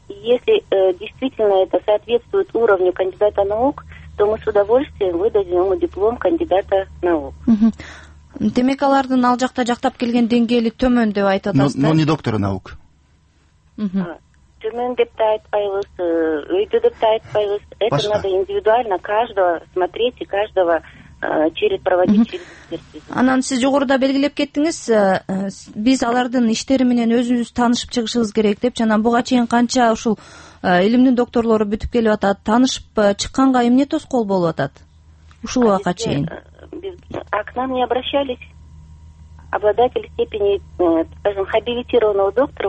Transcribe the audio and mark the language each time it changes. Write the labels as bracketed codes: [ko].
[ru] Если действительно это соответствует уровню кандидата наук, то мы с удовольствием выдадим ему диплом кандидата наук. [ky] Демек алардын ал жакта жактап келген деңгээли төмөн деп айтасыз? [ru] Но не доктор наук. [ky] Төмөн деп да айтпайбыз, өйдө деп да айтпайбыз. [ru] Это [ky] Башка. [ru] Надо индивидуально каждого смотреть и каждого... через проводить. [ky] Анан, сиз жогоруда белгилеп кеттиңиз, биз алардын иштери менен өзүбүз таанышып чыгышыбыз керек деп, жана буга чейин канча ушул илимдин докторлору бүтүп келип атат, таанышып чыкканга эмне тоскоол болуп атат ушул убакка чейин? [ru] А к нам не обращались обладатели степени, скажем, хабилитированного доктора.